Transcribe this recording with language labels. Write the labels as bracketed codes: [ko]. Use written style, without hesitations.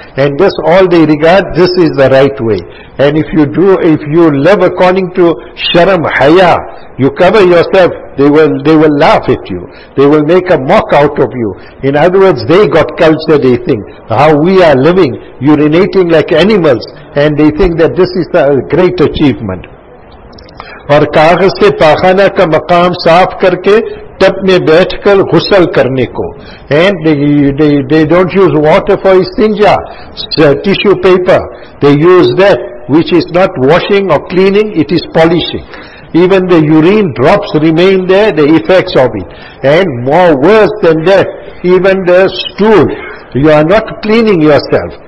[en] And this all they regard, this is the right way. And if you live according to sharam, haya, you cover yourself, They will laugh at you. They will make a mock out of you. In other words, they got culture, they think. How we are living, urinating like animals, and they think that this is a great achievement. [ur] اور کاغذ سے پاخانہ کا مقام صاف کر کے tub میں بیٹھ کر غسل کرنے کو. [en] And they don't use water for استنجا, tissue paper. They use that which is not washing or cleaning, it is polishing. Even the urine drops remain there, the effects of it. And more worse than that, even the stool, you are not cleaning yourself.